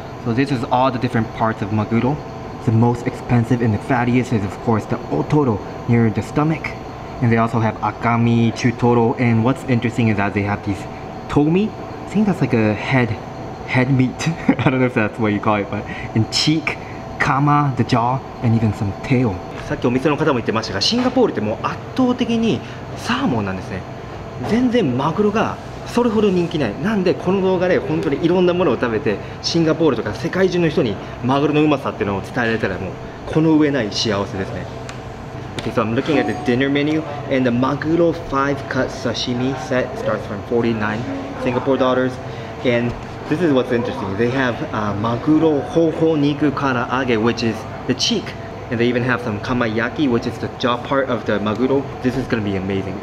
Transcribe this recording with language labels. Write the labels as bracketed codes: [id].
[en] So this is all the different parts of Maguro. The most expensive and the fattiest is of course the Otoro near the stomach. And they also have Akami, Chutoro, and what's interesting is that they have these Tomi. I think that's like a head meat, I don't know if that's what you call it, but in cheek, kama, the jaw, and even some tail. [ja] さっきお店の方も言ってましたが、シンガポールってもう圧倒的にサーモンなんですね。全然マグロがそれほど人気ない。なんでこの動画で本当にいろんなものを食べて、シンガポールとか世界中の人にマグロのうまさっていうのを伝えられたら、もうこの上ない幸せですね。 [en] Okay, so I'm looking at the dinner menu, and the maguro 5-cut sashimi set starts from 49 Singapore dollars, andThis is what's interesting. They have maguro hoho niku karaage, which is the cheek. And they even have some kamayaki, which is the jaw part of the maguro. This is going to be amazing.